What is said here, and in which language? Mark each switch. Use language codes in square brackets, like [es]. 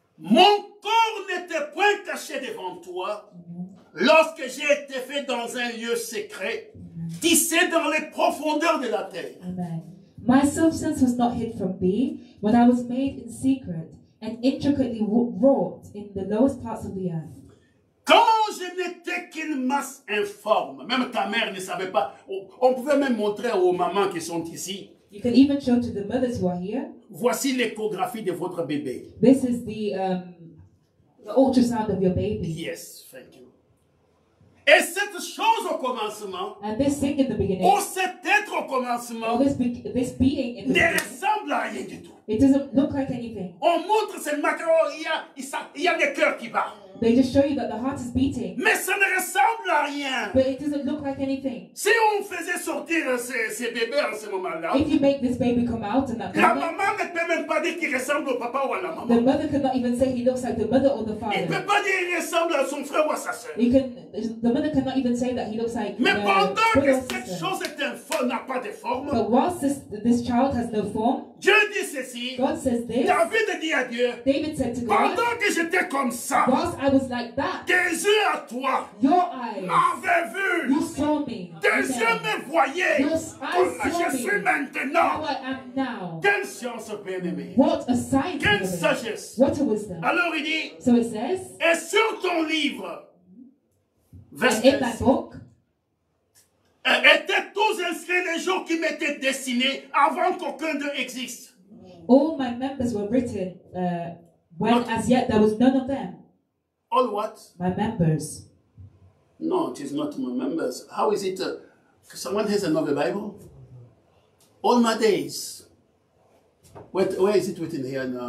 [fr] Mon corps n'était point caché devant toi, mm-hmm, lorsque j'ai été fait dans un lieu secret, mm-hmm, tissé dans les profondeurs de la terre. Amen. [en] My substance was not hid from thee when I was made in secret and intricately wrought in the lowest parts of the earth. [fr] Quand je n'étais qu'une masse informe, même ta mère ne savait pas. On pouvait même montrer aux mamans qui sont ici. [en] You can even show to the mothers who are here. [fr] Voici l'échographie de votre bébé. [en] This is the ultrasound of your baby. Yes, thank you. [fr] Et cette chose au commencement, [en] and this thing in the beginning, [fr] ou cet être au commencement, [en] or this being in the [fr] ne ressemble à rien du tout. [en] It doesn't look like anything. [fr] On montre seulement qu'il y a des cœurs qui battent. [en] They just show you that the heart is beating. [fr] Mais ça ne ressemble à rien. [en] But it doesn't look like anything. [fr] Si on faisait sortir ces bébés en ce moment-là, [en] if you make this baby come out in that [fr] moment, la maman ne peut même pas dire qu'il ressemble au papa ou à la maman. [en] The mother cannot even say he looks like the mother or the father. [fr] Il peut pas dire qu'il ressemble à son frère ou à sa sœur. [en] You can, the mother cannot even say that he looks like. [fr] Mais pendant que cette chose est informe, n'a pas de forme. [en] But whilst this child has no form, [fr] Dieu dit ceci. [en] God says this. [fr] David dit à Dieu. [en] David said to God. [fr] Pendant que j'étais comme ça. [en] I was like that. [fr] Tes yeux à toi. [en] Your eyes. [fr] M'avaient vu. [en] You saw me. [fr] Tes yeux me voyaient. [en] Your eyes [fr] comme [en] saw [fr] je [en] me. [fr] Suis maintenant. [en] How I am now. [fr] Quelle science, bien-aimé. [en] What a sight. [fr] Quelle sagesse. [en] What a wisdom. [fr] Alors il dit. [en] So it says. [fr] Et sur ton livre. [en] In that book. [fr] Étaient tous inscrits les jours qui m'étaient destinés avant qu'aucun d'eux existe. [en] All my members were written when not as yet there was none of them. All what? My members. No, it is not my members. How is it? Someone has another Bible? All my days. Where is it written here?